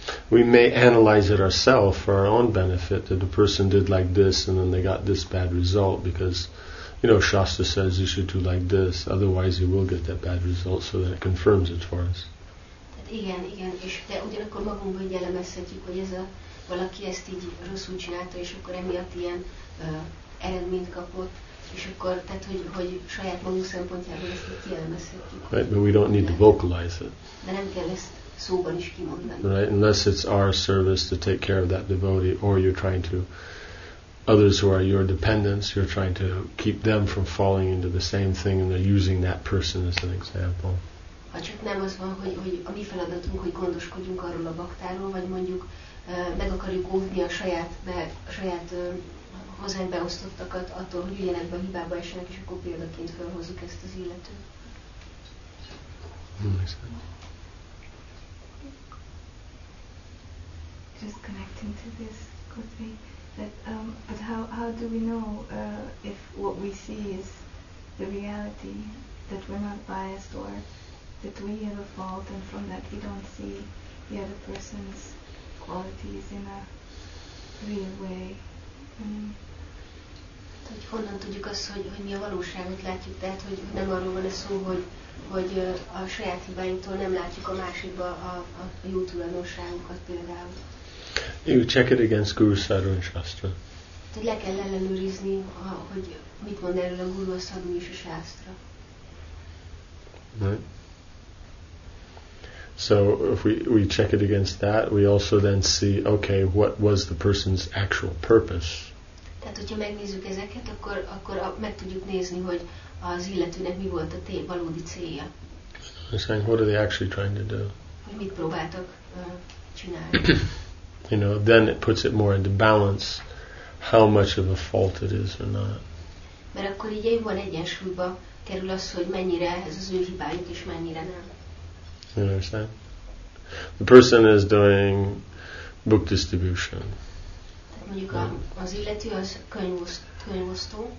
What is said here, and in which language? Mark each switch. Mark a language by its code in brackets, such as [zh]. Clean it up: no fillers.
[en] We may analyze it ourselves for our own benefit that the person did like this and then they got this bad result because. You know, Shastra says you should do like this, otherwise you will get that bad result, so that it confirms it for us. [hu] Igen, igen, és de ugyanakkor magunkban így elemezhetjük, hogy ez a valaki ezt így rosszul csinálta, és akkor emiatt ilyen eredményt kapott, és akkor, tehát hogy saját magunk szempontjából ezt így kielemezhetjük. [en] Right, but we don't need to vocalize it. [hu] De nem kell ezt szóban is kimondani. [en] Right, unless it's our service to take care of that devotee, or you're trying to others who are your dependents, you're trying to keep them from falling into the same thing and they're using that person as an example. [hu] Ha csak nem az van, hogy a mi feladatunk, hogy gondoskodjunk arról a baktáról, vagy mondjuk meg akarjuk óvni a saját hozzánk beosztottakat attól, hogy üljenek be a hibába esenek, és akkor példaként felhozzuk ezt az illetőt. [en] Just connecting to this, could be. But how do we know if what we see is the reality, that we're not biased, or that we have a fault, and from that we don't see the other person's qualities in a real way? [hu] Hogy honnan tudjuk azt, hogy mi a valóságot látjuk, tehát hogy nem arról van a szó, hogy a saját hibáinktól nem látjuk a másikba a jó tulajdonságunkat például. [en] You check it against Guru Sadhu and Shastra. [hu] Tehát le kell ellenőrizni, hogy mit mond erről a Guru, a Sadhu és a Shastra. [en] Right. So if we check it against that, we also then see, okay, what was the person's actual purpose? [hu] Tehát hogyha megnézzük ezeket, akkor meg tudjuk nézni, hogy az illetőnek mi volt a valódi célja. [en] I'm saying, what are they actually trying to do? [hu] Hogy mit próbáltak csinálni? [en] You know, then it puts it more into balance how much of a fault it is or not. [hu] Mert akkor így van egyensúlyba kerül az, hogy mennyire ez az ő hibájuk és mennyire nem. [en] You understand? The person is doing book distribution. [hu] Tehát mondjuk az illető az könyvosztó.